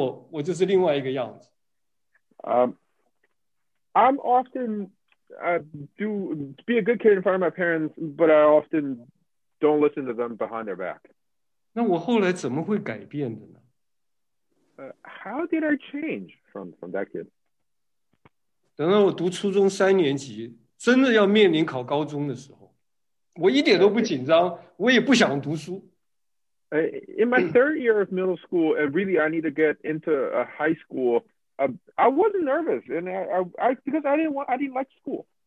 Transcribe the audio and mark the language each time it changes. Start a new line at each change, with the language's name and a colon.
Chinese: 我母亲越是管我，越是要我每天祷告，越是要我亲近主啊，我用一句简单的话，就是阳奉阴违，在他面前我就装得很乖，其实他一不看我，我就是另外一个样子。
English: I'm often be a good kid in front of my parents, but I often don't listen to them behind their back.
Chinese: 那我后来怎么会改变的呢？
English: How did I change from that kid?
Chinese: 等到我读初中三年级，真的要面临考高中的时候，我一点都不紧张，我也不想读书。
English: In my third year of middle school, and really I need to get into a high school, I wasn't nervous, and I didn't like school.